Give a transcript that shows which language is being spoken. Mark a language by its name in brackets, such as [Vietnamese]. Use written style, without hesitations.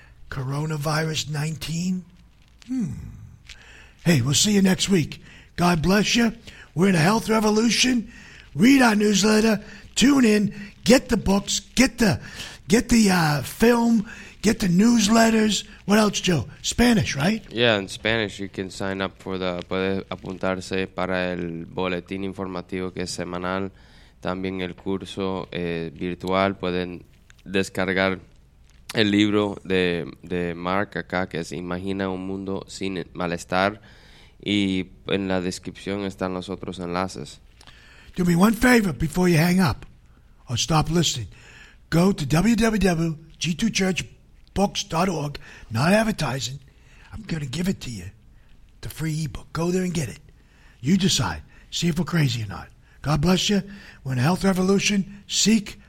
[English] Coronavirus 19? Hey, we'll see you next week. God bless you. We're in a health revolution. Read our newsletter. Tune in. Get the books. Get the film. Get the newsletters. What else, Joe? Spanish, right? Yeah, in Spanish, you can sign up for the... [Spanish] Puede apuntarse para el boletín informativo que es semanal. También el curso virtual. Pueden descargar el libro de Mark acá, que es Imagina un mundo sin malestar. Y en la descripción están los otros enlaces. [English] Do me one favor before you hang up or stop listening. Go to www.g2churchbooks.org, not advertising. I'm going to give it to you, the free ebook. Go there and get it. You decide. See if we're crazy or not. God bless you. We're in a health revolution. Seek